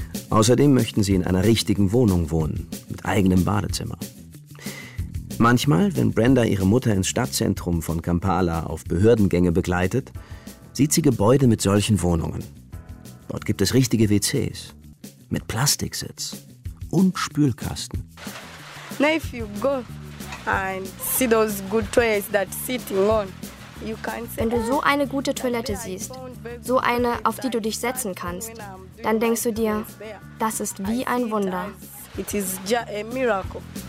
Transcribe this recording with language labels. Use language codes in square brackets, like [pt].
[de] Außerdem möchten sie in einer richtigen Wohnung wohnen, mit eigenem Badezimmer. Manchmal, wenn Brenda ihre Mutter ins Stadtzentrum von Kampala auf Behördengänge begleitet, sieht sie Gebäude mit solchen Wohnungen. Dort gibt es richtige WCs mit Plastiksitz und Spülkasten. [en] Now if you go and see those good toilets that sitting on, you can see. [de] Wenn du so eine gute Toilette siehst, so eine, auf die du dich setzen kannst, dann denkst du dir, das ist wie ein Wunder. [en] It is just a miracle.